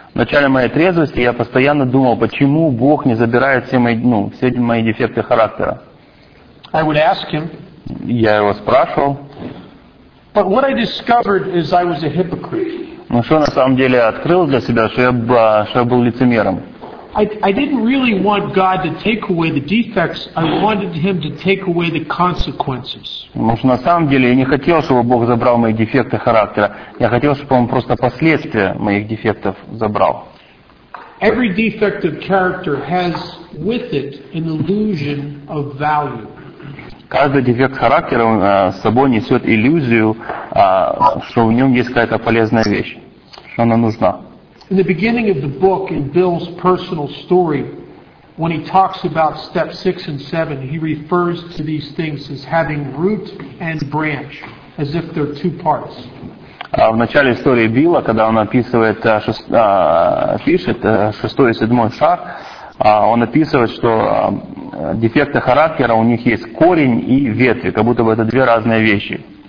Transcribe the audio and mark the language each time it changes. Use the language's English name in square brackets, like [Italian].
[Russian] В начале моей трезвости я постоянно думал, почему Бог не забирает все мои дефекты характера. [English] I would ask him. [Russian] Я его спрашивал. [English] But what I discovered is I was a hypocrite. [Russian] Ну что на самом деле я открыл для себя, что я был лицемером. [English] I didn't really want God to take away the defects. I wanted him to take away the consequences. [Russian] Ну что на самом деле я не хотел, чтобы Бог забрал мои дефекты характера. Я хотел, чтобы он просто последствия моих дефектов забрал. [English] Every defect of character has with it an illusion of value. [Russian] Каждый дефект характера с собой несет иллюзию, что в нем есть какая-то полезная вещь, что она нужна. [English] In the beginning of the book, in Bill's personal story, when he talks about step 6 and 7, he refers to these things as having root and branch, as if they're two parts. [Russian] В начале истории Билла, когда он описывает, пишет шестой и седьмой шаг, он описывает, что дефекты характера у них есть корень и ветви, как будто бы это две разные вещи.